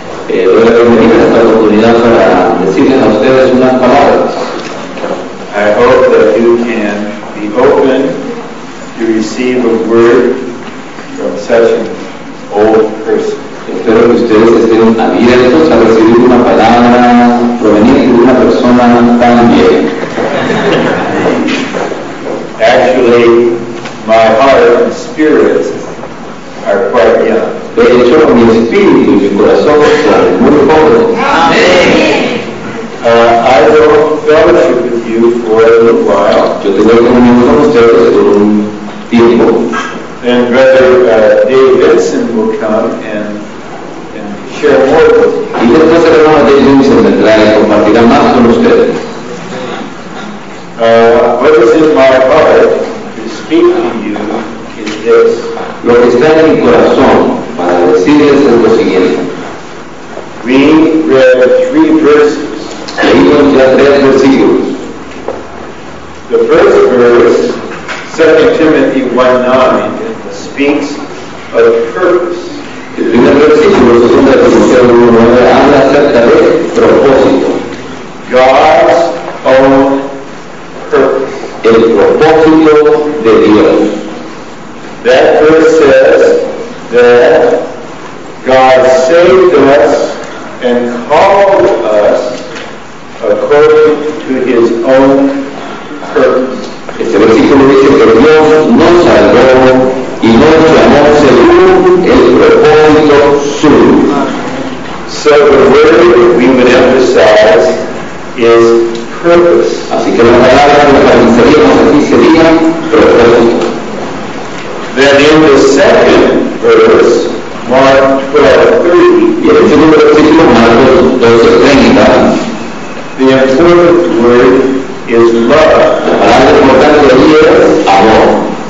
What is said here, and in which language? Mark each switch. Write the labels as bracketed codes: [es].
[es] Voy a permitir esta oportunidad para decirles a ustedes unas palabras. [en] I hope that you can be open to receive a word from such an old person. [es] Espero que ustedes estén abiertos a recibir una palabra proveniente de una persona tan vieja. [en] Actually, my heart and spirit are quite young. [es] De hecho, mi espíritu y mi corazón son muy jóvenes. Amén. [en] I will fellowship with you for a little while. [es] Yo tengo comunión con ustedes por un tiempo. [en] And Brother Dave Vincent will come and share more with you. [es] Y después el hermano Dave Vincent vendrá y compartirá más con ustedes. [en] What is in my heart to speak to you is this. [es] Lo que está en mi corazón para decirles es lo siguiente. [en] We read three verses. [es] Leímos ya tres versículos. [en] The first verse, 2 Timothy 1:9, speaks of purpose. [es] El primer versículo, 2 Timothy 1:9, habla acerca de propósito. [en] God's own purpose. [es] El propósito de Dios. [en] That verse says that God saved us and called us according to His own purpose. [es] Este versículo dice que Dios nos salvó y nos llamó según el propósito suyo. [en] So the word we would emphasize is purpose. [es] Así que la palabra que emphasizaríamos aquí sería propósito. [en] Then in the second verse, Mark 12:30, the important word is love.